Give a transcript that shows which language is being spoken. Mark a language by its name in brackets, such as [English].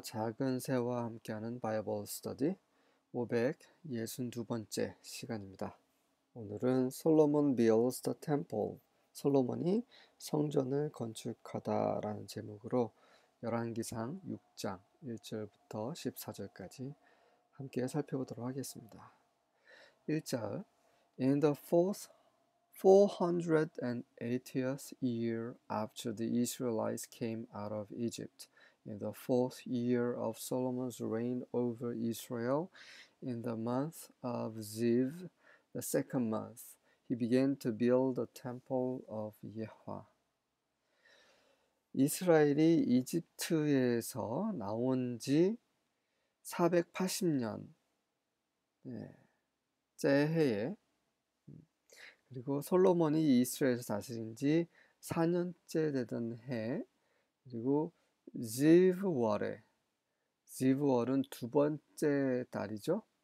[Korean] 작은 새와 함께하는 바이블 스터디 562번째 시간입니다. 오늘은 [English] 솔로몬 빌드 더 템플, [Korean] 솔로몬이 성전을 건축하다라는 제목으로 열왕기상 6장 1절부터 14절까지 함께 살펴보도록 하겠습니다. [English] 1절, In the fourth 480th year after the Israelites came out of Egypt, in the fourth year of Solomon's reign over Israel, in the month of Ziv, the second month, he began to build the temple of Yehovah. [Korean] 이스라엘이 이집트에서 나온 지 480년째 해에, 그리고 솔로몬이 이스라엘에서 다스린 지 4년째 되던 해, 그리고 지브월에, 지브월은 두 번째 달이죠.